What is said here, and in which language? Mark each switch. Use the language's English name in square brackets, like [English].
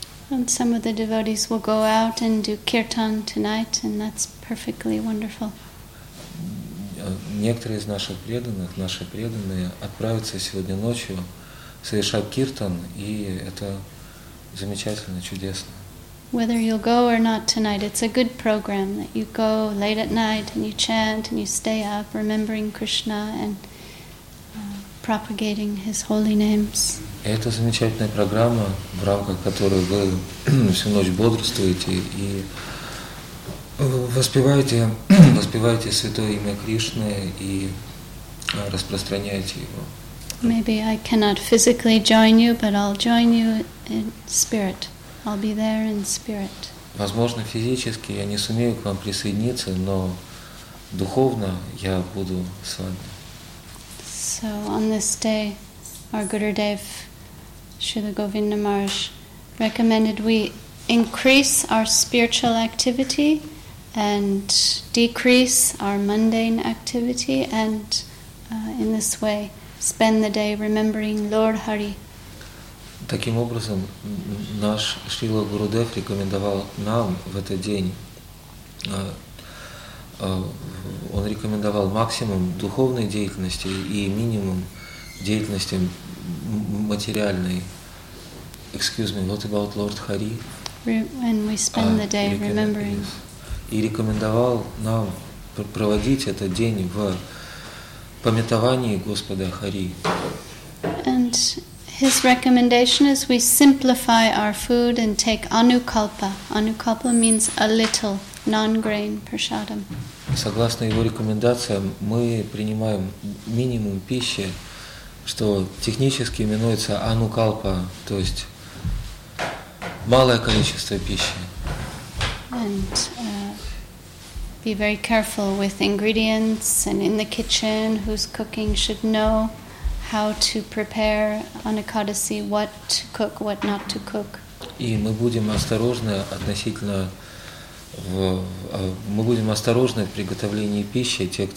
[English] And some of the devotees will go out and do kirtan tonight, and that's perfectly wonderful. [Russian] Некоторые из наших преданных, наши преданные, отправятся сегодня ночью совершать киртан, и это замечательно, чудесно. [English] Whether you'll go or not tonight, it's a good program that you go late at night and you chant and you stay up, remembering Krishna and propagating His holy names. [Russian] Это замечательная программа, в рамках которой вы всю ночь бодрствуете и воспеваете святое имя Кришны и распространяете его. [English] Maybe I cannot physically join you, but I'll join you in spirit. I'll be there in spirit. [Russian] Возможно, физически я не сумею к вам присоединиться, но духовно я буду с вами. [English] So on this day, our Gurudev Srila Govinda Maharaj recommended we increase our spiritual activity and decrease our mundane activity and in this way spend the day remembering Lord Hari. [Russian] Таким образом, наш Шрила Гурудев рекомендовал нам в этот день, он рекомендовал максимум духовной деятельности и минимум деятельности материальной. [English] Excuse me, what about Lord Hari? And we spend the day remembering. [Russian] И рекомендовал нам проводить этот день в памятовании Господа Хари. [English] And his recommendation is we simplify our food and take anukalpa. Anukalpa means a little, non-grain prasadam. [Russian] Согласно его рекомендациям, мы принимаем минимум пищи, что технически именуется анукалпа, то есть малое количество пищи. [English] And be very careful with ingredients and in the kitchen, who's cooking should know how to prepare on Ekadasi, what to cook, what not to cook. [Russian] И мы будем осторожны относительно в приготовлении пищи.